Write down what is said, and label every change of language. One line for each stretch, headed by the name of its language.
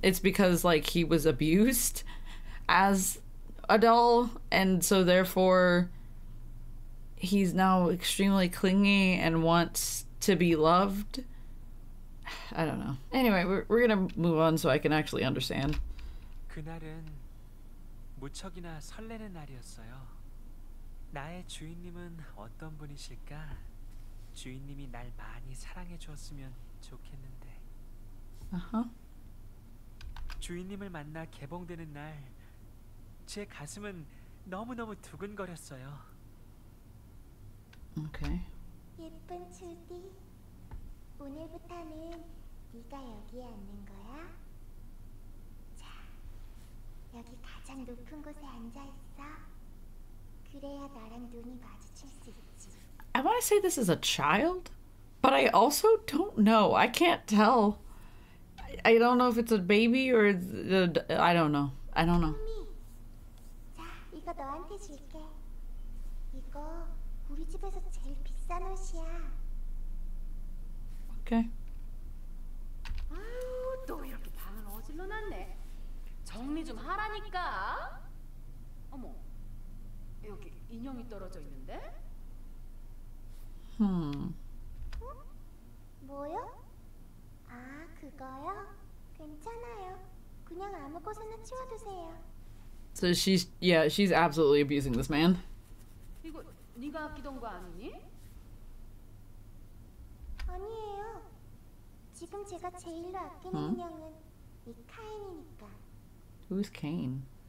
English: It's because like he was abused as a doll, and so therefore he's now extremely clingy and wants to be loved. I don't know. Anyway, we're gonna move on so I can actually understand.
Korean: 그날은 무척이나 설레는 날이었어요. 나의 주인님은 어떤 분이실까? 주인님이 날 많이 사랑해 주었으면 좋겠는데. 아하. 주인님을 만나 개봉되는 날 제 가슴은 너무너무 두근거렸어요. 오케이. 예쁜 출디. 오늘부터는 네가 여기에 앉는 거야. 자, 여기 가장 높은 곳에 앉아 있어. 그래야 나랑 눈이 마주칠 수 있지.
English: I want to say this is a child, but I also don't know. I can't tell. I don't know if it's a baby or I don't know. I don't know.
Korean: 너한테 줄게. 이거 우리 집에서 제일 비싼 옷이야.
English: 오케이.
Korean: 아유, 또 이렇게 방을 어질러놨네. 정리 좀 하라니까. 어머, 여기 인형이 떨어져 있는데? 뭐요? 아, 그거요? 괜찮아요. 그냥 아무 곳에나 치워두세요.
English: So she's, yeah, she's absolutely abusing this man. Who's Cain?